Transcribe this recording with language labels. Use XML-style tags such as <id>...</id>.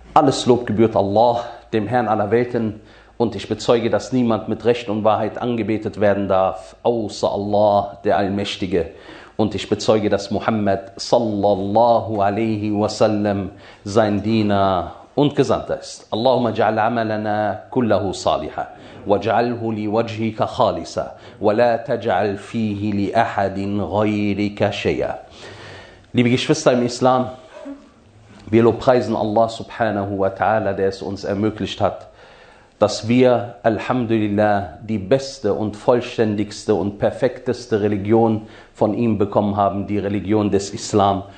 <de>Alles Lob gebührt Allah, dem Herrn aller Welten, und ich bezeuge, dass niemand mit Recht und Wahrheit angebetet werden darf, außer Allah, der Allmächtige. Und ich bezeuge, dass Muhammad sallallahu alaihi wasallam sein Diener und Gesandter ist.</de> <ar>Allahumma ja'al amalana kullahu saliha. واجعله لوجهك خالصا ولا تجعل فيه لأحد غيرك شيئا.</ar> <de>Liebe Geschwister im Islam, wir lobpreisen Allah subhanahu wa ta'ala, der es uns ermöglicht hat, dass wir, alhamdulillah, die beste und vollständigste und perfekteste Religion von ihm bekommen haben, die Religion des Islam.</de>